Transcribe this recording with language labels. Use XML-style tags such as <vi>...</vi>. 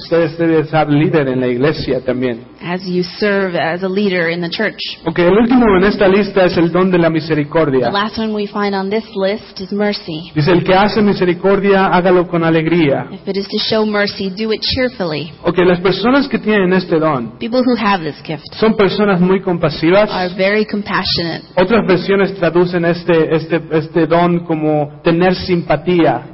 <es>Usted debe ser líder en la iglesia también.</es> <en>As you serve as a leader in the church.</en> <es>Okay, el último en esta lista es el don de la misericordia.</es> <en>The last one we find on this list is mercy.</en> <es>Dice, el que hace misericordia, hágalo con alegría.</es> <en>If it is to show mercy, do it cheerfully.</en> <es>Okay, las personas que tienen este don,</es> <en>people who have this gift,</en> <es>son personas muy compasivas.</es> <en>Are very compassionate.</en> <es>Otras versiones traducen este don como tener simpatía.</es>